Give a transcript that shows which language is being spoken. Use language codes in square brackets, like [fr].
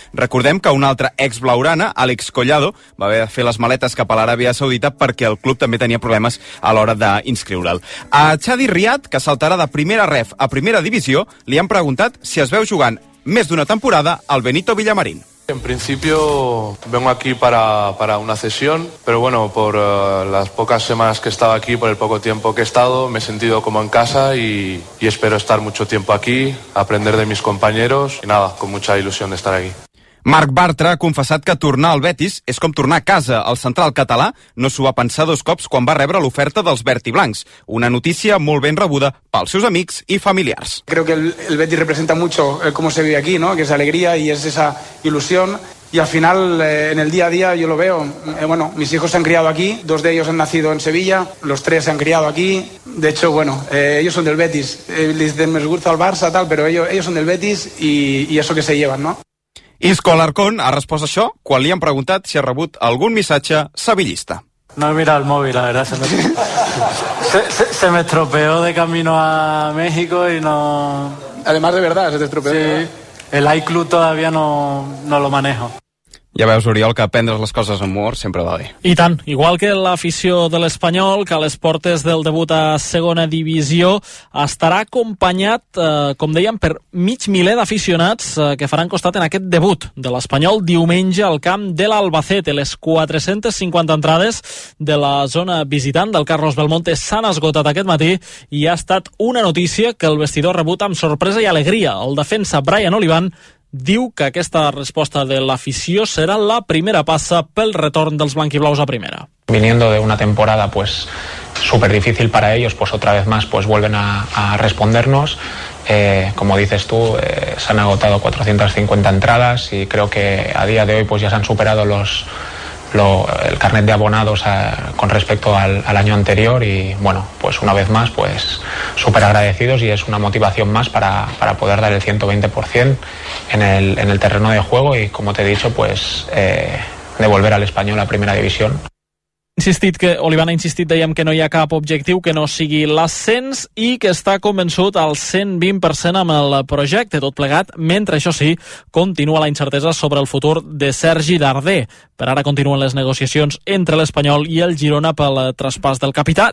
[ca] Recordem que un altre ex-blaugrana, Àlex Collado, va haver de fer les maletes cap a l'Aràbia Saudita perquè el club també tenia problemes a l'hora d'inscriure'l. A Xavi Riad, que saltarà de primera ref a primera divisió, li han preguntat si es veu jugant més d'una temporada al Benito Villamarín. [es] En principio vengo aquí para una cesión, pero bueno, por las pocas semanas que he estado aquí, por el poco tiempo que he estado, me he sentido como en casa y espero estar mucho tiempo aquí, aprender de mis compañeros y nada, con mucha ilusión de estar aquí. [ca] Marc Bartra ha confessat que tornar al Betis és com tornar a casa. El central català no s'ho va pensar dos cops quan va rebre l'oferta dels verdiblancs. Una notícia molt ben rebuda pels seus amics i familiars. [es] Creo que el Betis representa mucho cómo se vive aquí, ¿no? Que es alegría y es esa ilusión. Y al final, en el día a día, yo lo veo. Bueno, mis hijos se han criado aquí, dos de ellos han nacido en Sevilla, los tres se han criado aquí. De hecho, bueno, ellos son del Betis. Les dicen, me gusta el Barça, tal, pero ellos son del Betis y eso que se llevan, ¿no? [ca] Isco Alarcón ha respost això quan li han preguntat si ha rebut algun missatge sevillista. [es] No he mirado el móvil, la verdad. Se me estropeó de camino a México y no... Además, de verdad, se te estropeó. Sí, ¿verdad? El iClub todavía no lo manejo. [ca] Ja veus, Oriol, que aprendre les coses amb humor sempre va bé. I tant, igual que l'afició de l'Espanyol, que a les portes del debut a segona divisió estarà acompanyat, com dèiem, per mig miler d'aficionats que faran costat en aquest debut de l'Espanyol diumenge al camp de l'Albacete. Les 450 entrades de la zona visitant del Carlos Belmonte s'han esgotat aquest matí i ha estat una notícia que el vestidor ha rebut amb sorpresa i alegria. El defensa Brian Olivan diu que aquesta resposta de l'afició serà la primera passa pel retorn dels blanquiblaus a primera. [es] Viniendo de una temporada pues súper difícil para ellos, pues otra vez más pues vuelven a respondernos. Como dices tú, se han agotado 450 entradas y creo que a día de hoy pues ya se han superado el carnet de abonados con respecto al año anterior y bueno, pues una vez más pues súper agradecidos y es una motivación más para poder dar el 120% en el terreno de juego y como te he dicho pues devolver al Espanyol a primera división. [ca] Insistit que Olivan ha insistit, dèiem, que no hi ha cap objectiu que no sigui l'ascens i que està convençut al 120% amb el projecte, tot plegat, mentre, això sí, continua la incertesa sobre el futur de Sergi Darder. Per ara continuen les negociacions entre l'Espanyol i el Girona pel traspàs del capità.